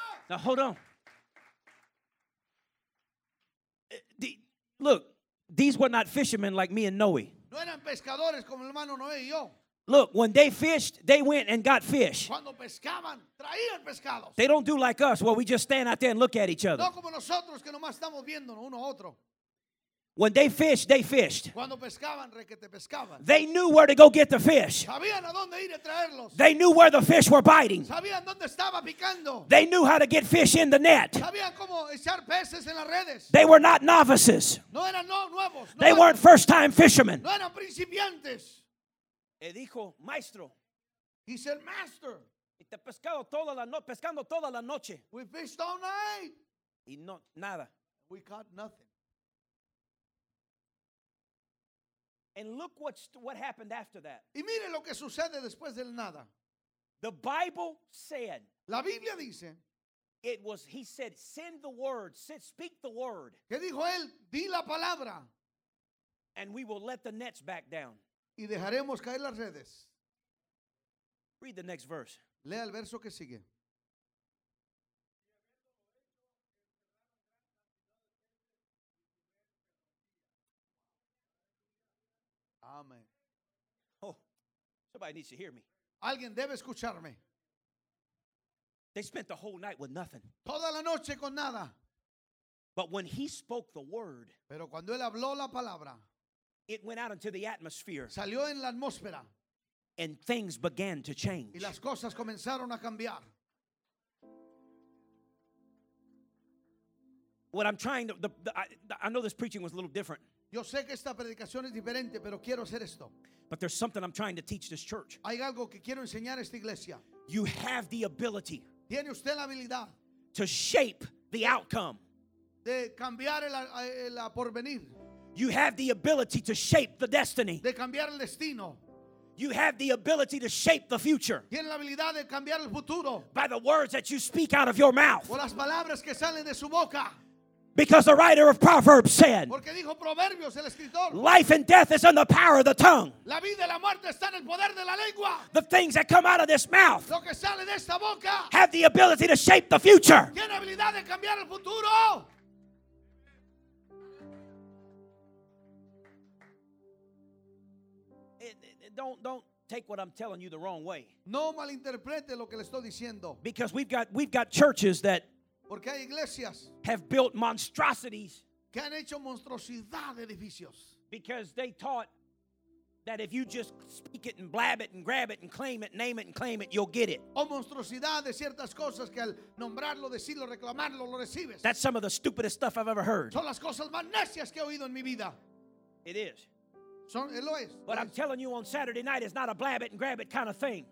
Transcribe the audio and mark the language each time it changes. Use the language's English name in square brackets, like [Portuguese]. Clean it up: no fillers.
[English] Now, hold on. Look, these were not fishermen like me and Noé. [Spanish] No eran pescadores como el hermano Noé y yo. [English] Look, when they fished, they went and got fish. [Spanish] Cuando pescaban, traían pescados. [English] They don't do like us, where we just stand out there and look at each other. [Spanish] No como nosotros, que nomás estamos viéndonos uno a otro. [English] When they fished, they fished. [Spanish] Cuando pescaban, requete pescaban. [English] They knew where to go get the fish. [Spanish] Sabían a dónde ir a traerlos. [English] They knew where the fish were biting. [Spanish] Sabían dónde estaba picando. [English] They knew how to get fish in the net. [Spanish] Sabían cómo echar peces en las redes. [English] They were not novices. [Spanish] No eran nuevos. [English] They weren't first-time fishermen. [Spanish] No eran principiantes. Y dijo, maestro. [English] He said, master. [Spanish] Y te pescado toda la noche, pescando toda la noche. [English] We fished all night. [Spanish] Y no, nada. [English] We caught nothing. And look what happened after that. [Spanish] Y mire lo que sucede después del nada. [English] The Bible said. [Spanish] La Biblia dice. [English] It was, he said, send the word, speak the word. [Spanish] ¿Qué dijo él? Di la palabra. [English] And we will let the nets back down. [Spanish] Y dejaremos caer las redes. [English] Read the next verse. [Spanish] Lea el verso que sigue. [English] Amen. Oh, somebody needs to hear me. [Spanish] Alguien debe escucharme. [English] They spent the whole night with nothing. [Spanish] Toda la noche con nada. [English] But when he spoke the word, [Spanish] pero cuando él habló la palabra, [English] it went out into the atmosphere. [Spanish] Salió en la atmósfera. [English] And things began to change. [Spanish] Y las cosas comenzaron a cambiar. [English] What I'm trying to, I know this preaching was a little different. [Spanish] Yo sé que esta predicación es diferente, pero quiero hacer esto. [English] But there's something I'm trying to teach this church. [Spanish] Hay algo que quiero enseñar a esta iglesia. [English] You have the ability. [Spanish] Tiene usted la habilidad. [English] To shape the outcome. [Spanish] De cambiar el porvenir. [English] You have the ability to shape the destiny. [Spanish] De cambiar el destino. [English] You have the ability to shape the future. [Spanish] Tiene la habilidad de cambiar el futuro. [English] By the words that you speak out of your mouth. [Spanish] Por las palabras que salen de su boca. [English] Because the writer of Proverbs said, [Spanish] porque dijo Proverbios, el escritor, [English] life and death is in the power of the tongue. [Spanish] La vida y la muerte está en el poder de la lengua. [English] The things that come out of this mouth, [Spanish] lo que sale de esta boca, [English] have the ability to shape the future. [Spanish] Tiene habilidad de cambiar el futuro. [English] Don't take what I'm telling you the wrong way. [Spanish] No malinterprete lo que le estoy diciendo. [English] Because we've got churches that [Spanish] porque hay iglesias [English] have built monstrosities [Spanish] que han hecho monstruosidad de edificios. [English] Because they taught that if you just speak it and blab it and grab it and claim it, name it and claim it, you'll get it. [Spanish] O monstruosidad de ciertas cosas que al nombrarlo, decirlo, reclamarlo, lo recibes. [English] That's some of the stupidest stuff I've ever heard. [Spanish] Son las cosas más necias que he oído en mi vida. [English] It is. But I'm telling you, on Saturday night, it's not a blab it and grab it kind of thing.